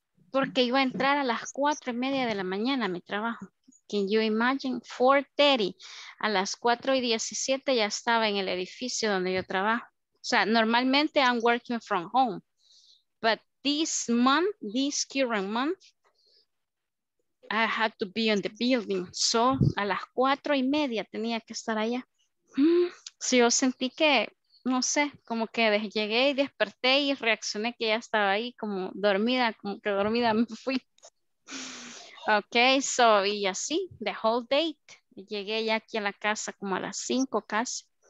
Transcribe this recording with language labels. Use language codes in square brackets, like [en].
[es] Porque iba a entrar a las 4:30 de la mañana a mi trabajo. [en] Can you imagine? [es] 4:30. A las 4:17 ya estaba en el edificio donde yo trabajo. O sea, normalmente [en] I'm working from home. But this month, this current month, I had to be in the building. [es] So, a las 4:30 tenía que estar allá. Si yo sentí que, no sé, como que llegué y desperté y reaccioné que ya estaba ahí como dormida, como que dormida me fui. Ok, so, y así, [en] the whole date. [es] Llegué ya aquí a la casa como a las 5 casi.